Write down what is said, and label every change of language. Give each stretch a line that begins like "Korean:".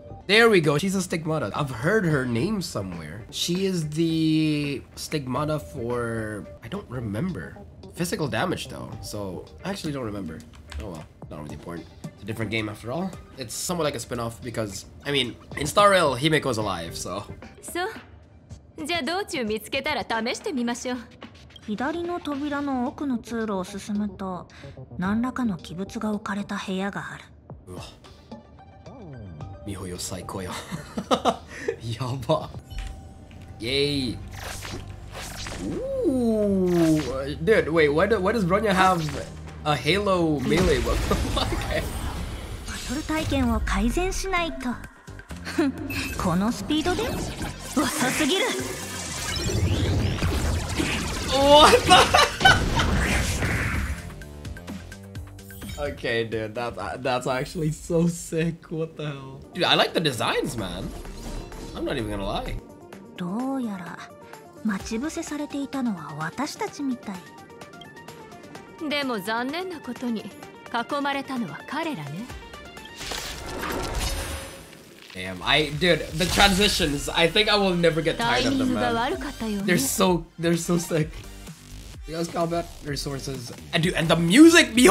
English: There we go. She's a stigmata. I've heard her name somewhere. She is the stigmata for, I don't remember. Physical damage though. So I actually don't remember. Oh well, not really important. It's a different game after all. It's somewhat like a spin-off because, I mean, in Star Rail, Himeko's alive, so.
Japanese: So, じゃあ道中見つけたら試してみましょう。左の扉の奥の通路を進むと、何らかの器物が置かれた部屋がある。うわ、miHoYo最高よ。やば。イエーイ。
English: Ooh, dude, wait, why does Bronya have a halo melee weapon?
Japanese: バトル体験を改善しないと。このスピードで？遅すぎる。
English: What the? Okay, dude, that's actually so sick. What the hell? Dude, I like the designs, man. I'm not even gonna lie.
Japanese: どうやら待ち伏せされていたのは私たちみたい。でも残念なことに囲まれたのは彼らね。
English: Damn, I, dude, the transitions, I think I will never get tired of them, man. They're so sick. The guys, combat resources, and dude, and the music, miHoYo!